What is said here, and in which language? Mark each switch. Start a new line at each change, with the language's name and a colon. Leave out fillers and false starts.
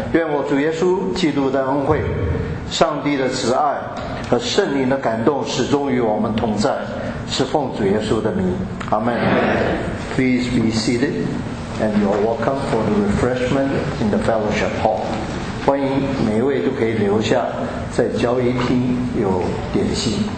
Chinese: 愿我主耶稣基督的恩惠，上帝的慈爱和圣灵的感动始终与我们同在，是奉主耶稣的名。
English: Amen. Please be seated and you are welcome for the refreshment in the fellowship hall.
Chinese: 欢迎每一位都可以留下，在交易厅有点心。